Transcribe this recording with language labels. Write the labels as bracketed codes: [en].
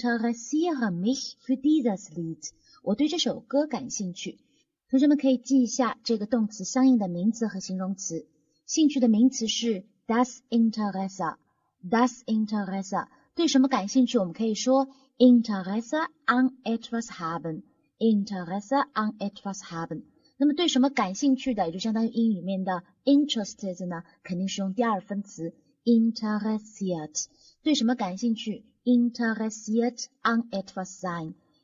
[de] Ich interessiere mich für dieses Lied. [zh] 我对这首歌感兴趣。同学们可以记一下这个动词相应的名词和形容词。兴趣的名词是 das Interesse。对什么感兴趣，我们可以说 [de] Interesse an etwas haben。 [zh] 那么对什么感兴趣的，也就相当于英语里面的 interested 呢，肯定是用第二分词 interessiert。对什么感兴趣， [de] interessiert an etwas sein。